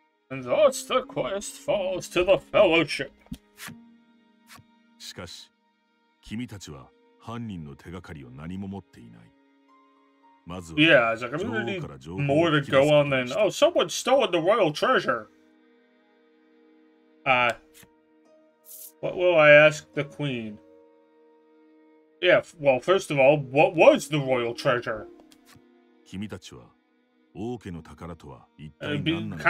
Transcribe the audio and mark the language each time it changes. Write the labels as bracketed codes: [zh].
[en] And thus the quest falls to the fellowship. [ja] しかし、君たちは、犯人の手がかりを何も持っていない。まず、女王から情報を聞き出す。 [en] Oh, someone stole the royal treasure. What will I ask the queen? Yeah, well, first of all, what was the royal treasure? [ja] 君たちは王家の宝とは一体何なのか。